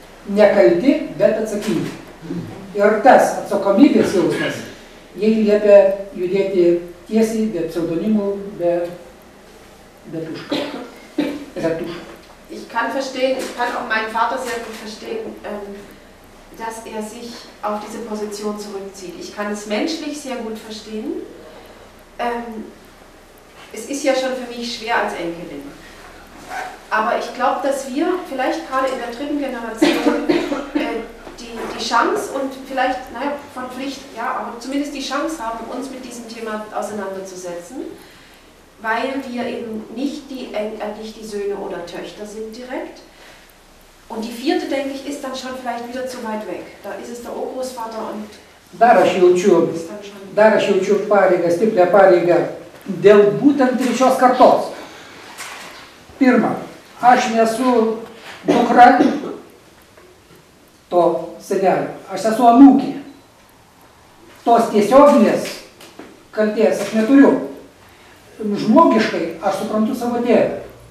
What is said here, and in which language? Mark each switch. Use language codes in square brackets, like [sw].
[lt] Nekalti, bet atsakingi. Ir tas atsakomybės jausmas, jei liepia judėti tiesiai, be pseudonimų, be tuško. [de] Ich kann verstehen, ich kann auch meinen Vater sehr gut verstehen, dass sich auf diese Position zurückzieht. Ich kann es menschlich sehr gut verstehen. Es ist ja schon für mich schwer als Enkelin. Aber ich glaube, dass wir vielleicht gerade in der dritten Generation die Chance und vielleicht, naja, von Pflicht, ja, aber zumindest die Chance haben, uns mit diesem Thema auseinanderzusetzen, weil wir eben nicht die Söhne oder Töchter sind direkt. Und die vierte, denke ich, ist dann schon vielleicht wieder zu weit weg. Da ist es der Urgroßvater und... [lt] Dar aš jaučiu pareigą, stiprią pareigą, dėl būtent trečios kartos. Pirma, aš nesu dukra to senelio, aš esu anūkė. Tos tiesioginės kaltės aš neturiu. Žmogiškai aš suprantu savo tėvą.